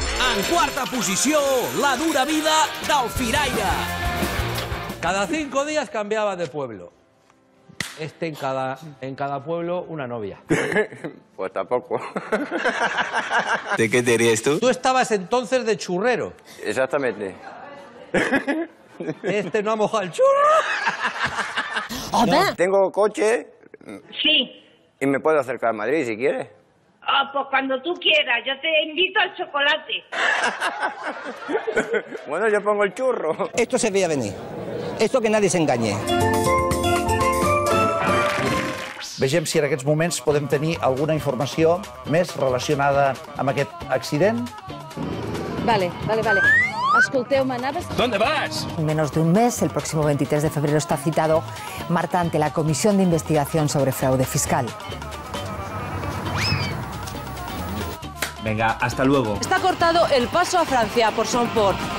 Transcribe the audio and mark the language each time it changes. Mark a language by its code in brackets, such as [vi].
[ca] En quarta posició, la dura vida del Firaire. [es] Cada cinco días cambiaba de pueblo. Este en cada pueblo una novia. Pues tampoco. ¿De qué te dirías tú? Tú estabas entonces de churrero. Exactamente. Este no ha mojado el churro. Hola. Tengo coche. Sí. Y me puedo acercar a Madrid si quieres. Ah, pues cuando tú quieras, yo te invito al chocolate. Bueno, yo pongo el churro. Esto se veía venir. Esto que nadie se engañe. [ca] Vegem si en aquests moments podem tenir alguna informació més relacionada amb aquest accident. Vale, vale, vale. Escolteu-me, anaves... [es] ¿Dónde vas? En menos de un mes, el próximo 23 de febrero, está citado Marta ante la Comisión de Investigación sobre Fraude Fiscal. Venga, hasta luego. Está cortado el paso a Francia por Somport.